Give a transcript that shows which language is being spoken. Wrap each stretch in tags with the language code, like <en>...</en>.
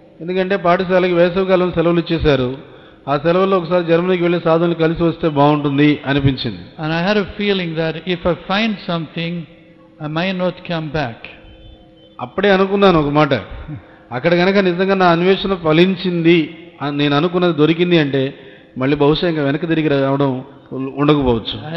<te>ఎందుకంటే పాఠశాలకి వేసవికాలం సెలవులు ఇచ్చేశారు, ఆ సెలవుల్లో ఒకసారి జర్మనీకి వెళ్ళి సాధువులు కలిసి వస్తే బాగుంటుంది అనిపించింది.</te> <en>And I had a feeling that if I find something I might not come back.</en> <te>అప్పుడే అనుకున్నాను ఒక మాట, అక్కడ కనుక నిజంగా నా అన్వేషణ ఫలించింది, నేను అనుకున్నది దొరికింది అంటే మళ్ళీ బహుశా ఇంకా వెనక తిరిగి రావడం ఉండకపోవచ్చు.</te>